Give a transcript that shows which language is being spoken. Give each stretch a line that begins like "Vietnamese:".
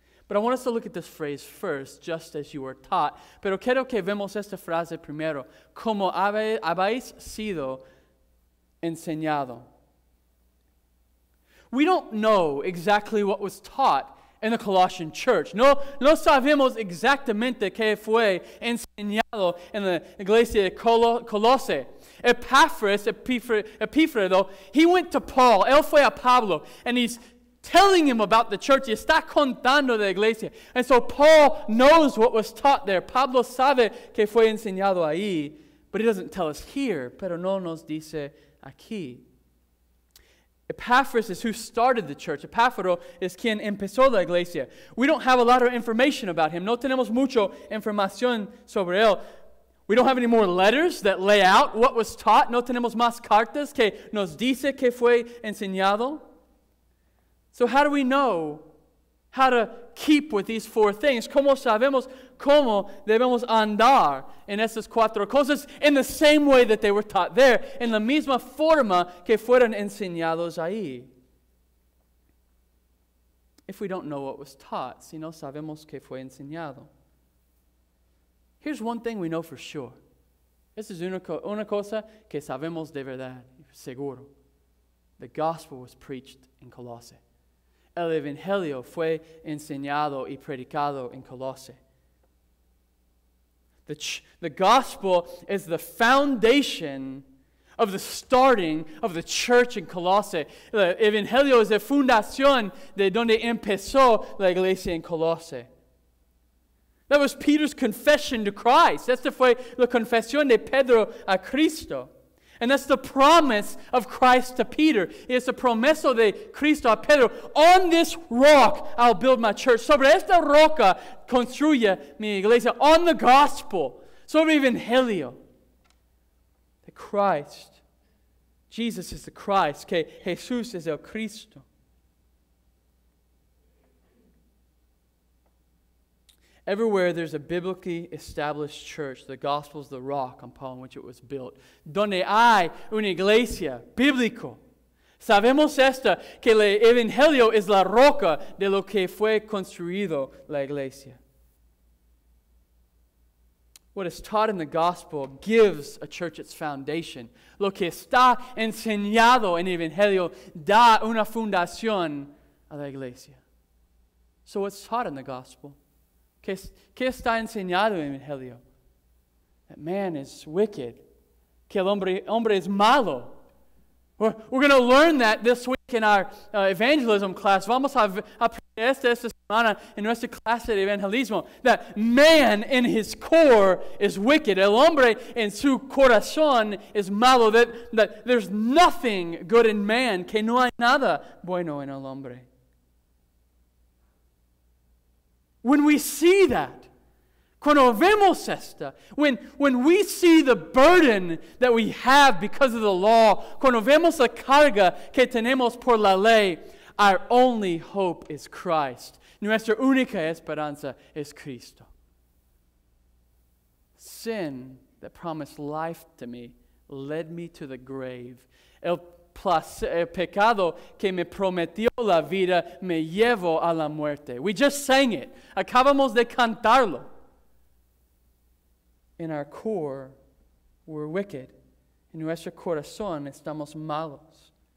English: But I want us to look at this phrase first, just as you were taught.
Spanish: Pero quiero que vemos esta frase primero. Como habéis sido enseñado.
English: We don't know exactly what was taught in the Colossian church.
Spanish: No sabemos exactamente qué fue enseñado en la iglesia de Colosse.
English: Epífrido, he went to Paul.
Spanish: Él fue a Pablo.
English: And he's telling him about the church.
Spanish: He está contando de la iglesia.
English: And so Paul knows what was taught there.
Spanish: Pablo sabe que fue enseñado ahí,
English: but he doesn't tell us here,
Spanish: pero no nos dice aquí.
English: Epaphras is who started the church. Epaphras is
Spanish: quien empezó la iglesia.
English: We don't have a lot of information about him.
Spanish: No tenemos mucho información sobre él.
English: We don't have any more letters that lay out what was taught.
Spanish: No tenemos más cartas que nos dice que fue enseñado.
English: So how do we know how to keep with these four things?
Spanish: ¿Cómo sabemos cómo debemos andar en esas cuatro cosas?
English: In the same way that they were taught there,
Spanish: en la misma forma que fueron enseñados ahí.
English: If we don't know what was taught,
Spanish: si no sabemos qué fue enseñado.
English: Here's one thing we know for sure.
Spanish: Esa es una cosa que sabemos de verdad, seguro.
English: The gospel was preached in Colossae.
Spanish: El Evangelio fue enseñado y predicado en Colosse.
English: The gospel is the foundation of the starting of the church in Colosse.
Spanish: El Evangelio es la fundación de donde empezó la iglesia en Colosse.
English: That was Peter's confession to Christ.
Spanish: Esta fue la confesión de Pedro a Cristo.
English: And that's the promise of Christ to Peter. It's the
Spanish: promesa de Cristo a Pedro.
English: On this rock, I'll build my church.
Spanish: Sobre esta roca, construye mi iglesia.
English: On the gospel.
Spanish: Sobre evangelio.
English: The Christ. Jesus is the Christ.
Spanish: Que Jesús es el Cristo.
English: Everywhere there's a biblically established church, the gospel is the rock upon which it was built.
Spanish: Donde hay una iglesia bíblica, sabemos esta, que el evangelio es la roca de lo que fue construido la iglesia.
English: What is taught in the gospel gives a church its foundation.
Spanish: Lo que está enseñado en el evangelio da una fundación a la iglesia.
English: So what's taught in the gospel?
Spanish: ¿Qué está enseñado en el evangelio?
English: That man is wicked.
Spanish: Que el hombre es malo.
English: We're going to learn that this week in our evangelism class.
Spanish: Vamos a aprender esta semana en nuestra clase de evangelismo.
English: That man in his core is wicked.
Spanish: El hombre en su corazón es malo.
English: That there's nothing good in man.
Spanish: Que no hay nada bueno en el hombre.
English: When we see that,
Spanish: cuando vemos esta,
English: when we see the burden that we have because of the law,
Spanish: cuando vemos la carga que tenemos por la ley,
English: our only hope is Christ.
Spanish: Nuestra única esperanza es Cristo.
English: Sin that promised life to me led me to the grave.
Spanish: El pecado que me prometió la vida me llevó a la muerte.
English: We just sang it.
Spanish: Acabamos de cantarlo.
English: In our core, we're wicked.
Spanish: En nuestro corazón estamos malos.